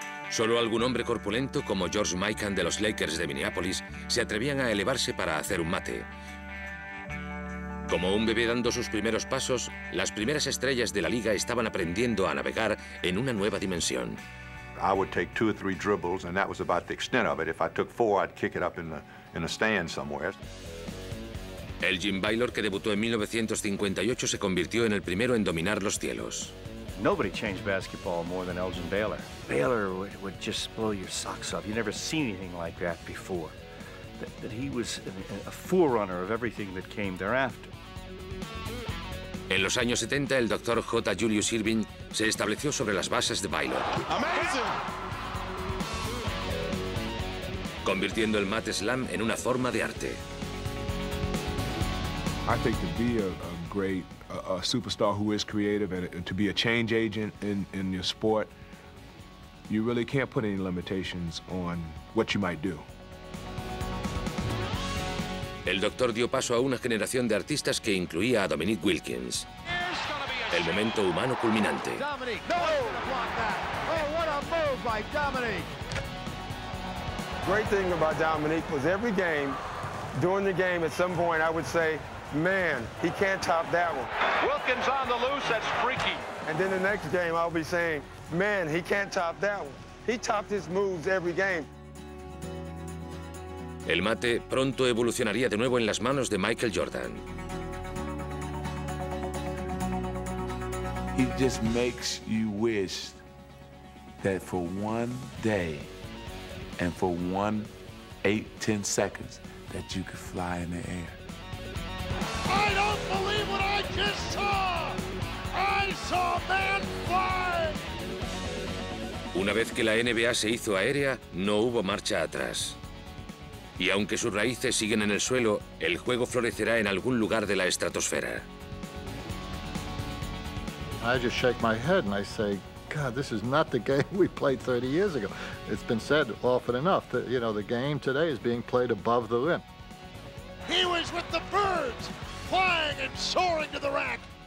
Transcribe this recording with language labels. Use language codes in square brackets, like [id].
[es] Solo algún hombre corpulento, como George Mikan de los Lakers de Minneapolis, se atrevían a elevarse para hacer un mate. Como un bebé dando sus primeros pasos, las primeras estrellas de la liga estaban aprendiendo a navegar en una nueva dimensión. [en] I would take 2 or 3 dribbles, and that was about the extent of it. If I took 4, I'd kick it up in a stand somewhere. [es] Elgin Baylor, que debutó en 1958, se convirtió en el primero en dominar los cielos. [en] Nobody changed basketball more than Elgin Baylor. Baylor would just blow your socks off. You've never seen anything like that before. That he was a forerunner of everything that came thereafter. [es] En los años 70, el doctor J. Julius Irving se estableció sobre las bases de Baylor. [en] Amazing! [es] Convirtiendo el mat slam en una forma de arte. [en] I think to be a great superstar who is creative and to be a change agent in your sport, you really can't put any limitations on what you might do. [es] El doctor dio paso a una generación de artistas que incluía a Dominique Wilkins. El momento humano culminante. [en] Dominique, no. Oh, what a move by Dominique. Great thing about Dominique was every game, during the game at some point I would say, man, he can't top that one. Wilkins on the loose, that's freaky. And then the next game I'll be saying, man, he can't top that one. He topped his moves every game. [es] El mate pronto evolucionaría de nuevo en las manos de Michael Jordan. [en] It just makes you wish that for one day and for 1/8, 10 seconds that you could fly in the air. I don't believe what I just saw. I saw man fly. [es] Una vez que la NBA se hizo aérea, no hubo marcha atrás. Y aunque sus raíces siguen en el suelo, el juego florecerá en algún lugar de la estratosfera. [en] I just shake my head and I say, God, this is not the game we played 30 years ago. It's been said often enough that, you know, the game today is being played above the rim. He was with the birds, flying and soaring to the rack.